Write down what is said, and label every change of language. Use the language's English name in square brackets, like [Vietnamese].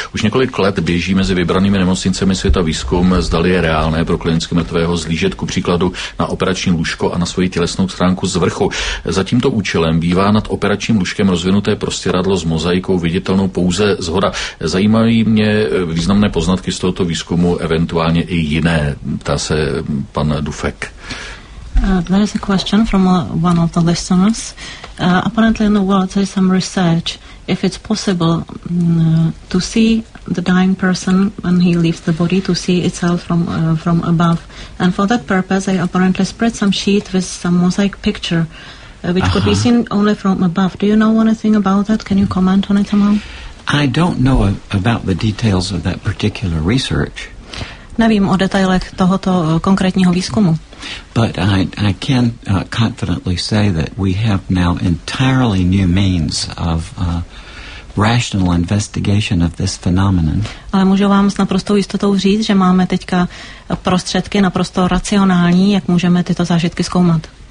[Czech] Už několik let běží mezi vybranými nemocnicemi světa výzkum, zdali je reálné pro klinicky mrtvého zlížet ku příkladu na operační lůžko a na svoji tělesnou stránku z vrchu. Za tímto účelem bývá nad operačním lůžkem rozvinuté prostěradlo s mozaikou viditelnou pouze zhora. Zajímají mě významné poznatky z tohoto výzkumu, eventuálně i jiné, ptá se pan Dufek. [English] There is a question from one of the listeners. Apparently in the world there is some research if it's possible to see the dying person when he leaves the body, to see itself from above. And for that purpose they apparently spread some sheet with some mosaic picture which could be seen only from above. Do you know anything about that? Can you comment on it somehow? I don't know about the details of that particular research. [Czech] Nevím o detailech tohoto konkrétního výzkumu. [English] But I can confidently say that we have now entirely new means of rational investigation of this phenomenon. [Czech] Ale můžu vám s naprostou jistotou říct, že máme teďka prostředky naprosto racionální, jak můžeme tyto zážitky zkoumat.